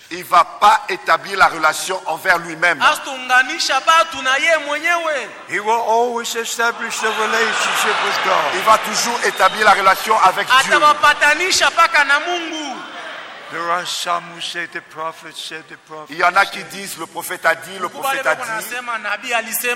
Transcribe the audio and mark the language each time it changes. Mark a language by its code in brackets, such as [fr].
[fr] Il va pas établir la relation envers lui-même. [en] He will always establish the relationship with God. [fr] Il va toujours établir la relation avec Dieu. [en] There are some who say the prophet said the prophet. [fr] Il y en a qui disent le prophète a dit, le prophète a dit.